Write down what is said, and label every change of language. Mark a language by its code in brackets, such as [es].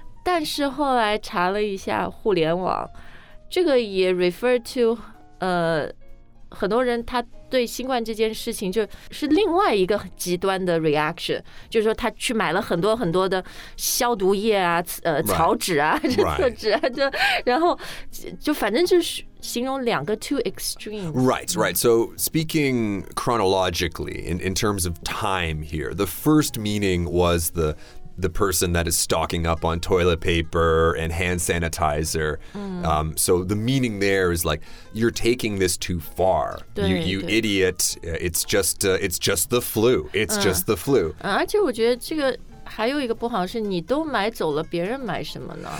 [zh] 但是后来查了一下互联网，这个也 refer to 很多人他对新冠这件事情就是另外一个极端的 reaction， 就是说他去买了很多很多的消毒液啊、草纸啊、厕纸啊，然后就反正就是。形容两个 [en] too extreme. Right. So speaking chronologically, in terms of time here, the first meaning was the person that is stocking up on toilet paper and hand sanitizer. So the meaning there is like, you're taking this too far. [zh] 对, [en] you idiot. It's just the flu. It's just the flu. [zh] 而且我觉得这个还有一个不好是你都买走了别人买什么呢